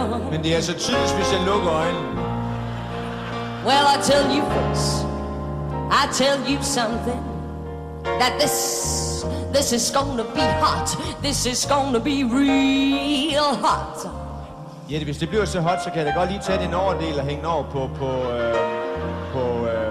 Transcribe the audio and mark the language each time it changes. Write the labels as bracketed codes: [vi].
[da] Men det er så tydeligt, hvis jeg lukker øjnene. [en] Well, I tell you first, I tell you something, that this is gonna be hot, this is gonna be real hot. [da] Jette, hvis det bliver så hot, så kan jeg da godt lige tage den overdel og hænge den over på